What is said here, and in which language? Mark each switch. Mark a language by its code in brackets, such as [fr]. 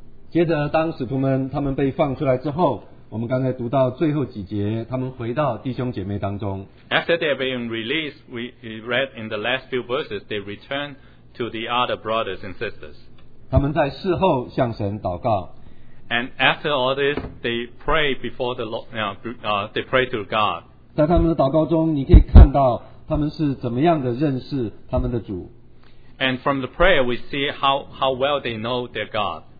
[zh] 接着，当使徒们他们被放出来之后，我们刚才读到最后几节，他们回到弟兄姐妹当中。 [en] After they have been released, we read in the last few verses, they return to the other brothers and sisters. [zh] 他们在事后向神祷告。 [en] And after all this, they pray before the Lord, they pray to God. [zh] 在他们的祷告中，你可以看到他们是怎么样的认识他们的主。 [en] And from the prayer, we see how well they know their God.